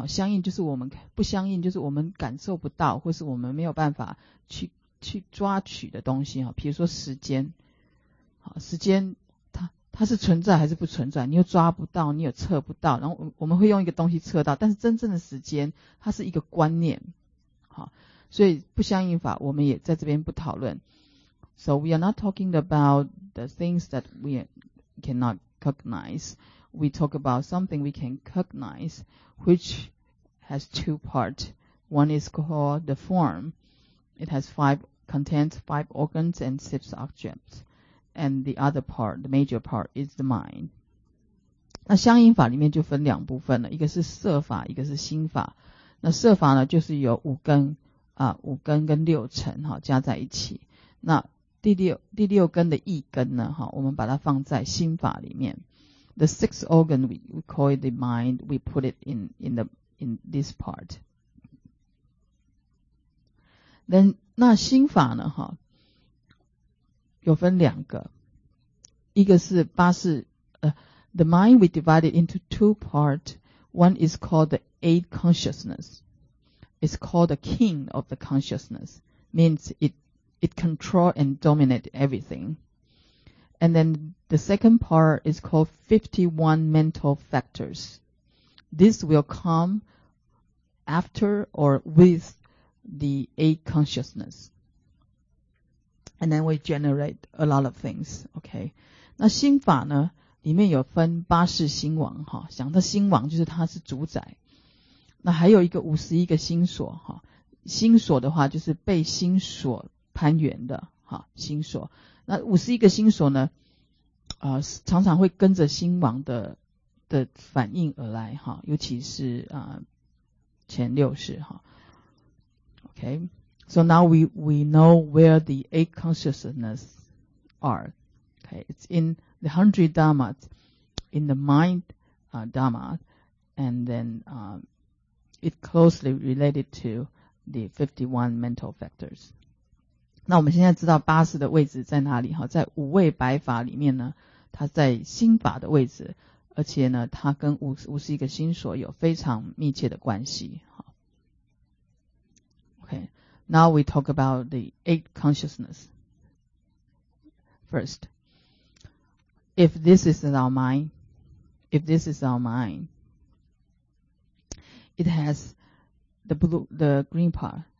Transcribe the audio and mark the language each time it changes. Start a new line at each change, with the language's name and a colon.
Chinese: 相应就是我们不相应，就是我们感受不到或是我们没有办法 去抓取的东西。比如说时间，时间 它是存在还是不存在，你又抓不到，你又测不到，然后我们会用一个东西测到，但是真正的时间它是一个观念。所以不相应法我们也在这边不讨论。
English: So we are not talking about the things that we cannot cognize. We talk about something we can cognize, which has two parts. One is called the form. It has five, contains five organs and six objects. And the other part, the major part, is the mind.
Chinese: 那相应法里面就分两部分了，一个是色法，一个是心法。那色法呢，就是有五根啊，五根跟六尘哈加在一起。那第六根的一根呢，我们把它放在心法里面。
English: The sixth organ we call it the mind, we put it in this part. Then,
Chinese: 那心法呢，有分两个，一个是八识，
English: the mind we divide it into two parts. One is called the eight consciousness. It's called the king of the consciousness, means it control and dominate everything. And then the second part is called 51 mental factors. This will come after or with the eight consciousness. And then we generate a lot of things. Okay.
Chinese: 那心法呢，里面有分八识心王，想到心王就是它是主宰。那还有一个51个心锁，心锁的话就是被心锁攀缘的心锁。那51个心锁呢，常常会跟着心王的反应而来，尤其是前六识。
English: OK, so now we know where the eight consciousness are. Okay, it's in the 100 dharmas, in the mind dharma, and then it closely related to the 51 mental factors.
Chinese: 那我们现在知道八识的位置在哪里，在五位白法里面呢，它在心法的位置，而且呢它跟五十一个心所有非常密切的关系。
English: OK, now we talk about the eight consciousness. First, if this is our mind, if this is our mind, it has the blue, the green part.